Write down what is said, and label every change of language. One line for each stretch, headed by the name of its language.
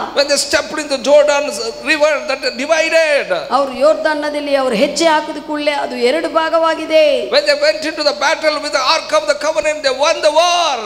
English: When they stepped in the Jordan river that divided,
Kannada: ಅವರು ಯೋರ್ಧಾನ್ ನದಿಯಲ್ಲಿ ಅವರು ಹೆಜ್ಜೆ ಹಾಕಿದ ಕೂಡಲೇ ಅದು ಎರಡು ಭಾಗವಾಗಿದೆ.
English: When they went into the battle with the ark of the covenant, they won the war.